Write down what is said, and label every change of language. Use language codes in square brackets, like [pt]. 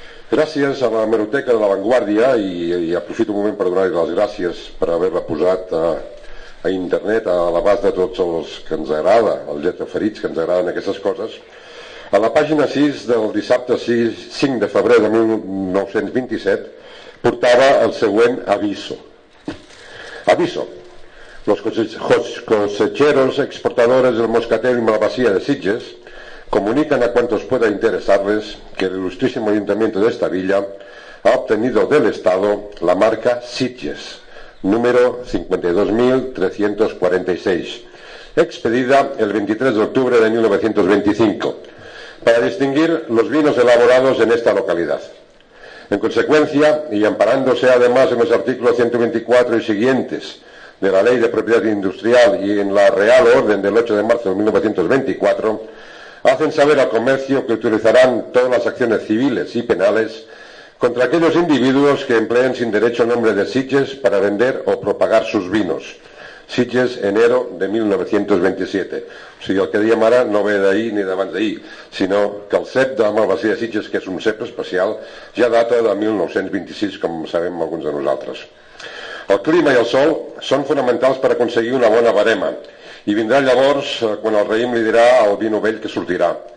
[ca] Gràcies a la Hemeroteca de La Vanguardia, i aprofito un moment per donar-li les gràcies per haver-la posat a internet, a l'abast de tots els que ens agrada, els lletraferits que ens agraden aquestes coses, a la pàgina 6 del dissabte 5 de febrer de 1927 portava el següent aviso. [es] Aviso. Los cosecheros exportadores del moscatel y malvasía de Sitges comunican a cuantos pueda interesarles que el ilustrísimo ayuntamiento de esta villa ha obtenido del Estado la marca Sitges, número 52.346, expedida el 23 de octubre de 1925, para distinguir los vinos elaborados en esta localidad. En consecuencia, y amparándose además en los artículos 124 y siguientes de la Ley de Propiedad Industrial y en la Real Orden del 8 de marzo de 1924, hacen saber al comercio que utilizarán todas las acciones civiles y penales contra aquellos individuos que empleen sin derecho el nombre de Sitges para vender o propagar sus vinos. [ca] Sitges, [es] enero de 1927. [ca] O sigui, el que dèiem ara no ve d'ahir ni d'abans d'ahir, sinó que el cep de la malvasia de Sitges, que és un cep especial, ja data de 1926, com sabem alguns de nosaltres. El clima i el sol són fonamentals per aconseguir una bona verema, i vindrà llavors quan el raïm li dirà al vi novell que sortirà.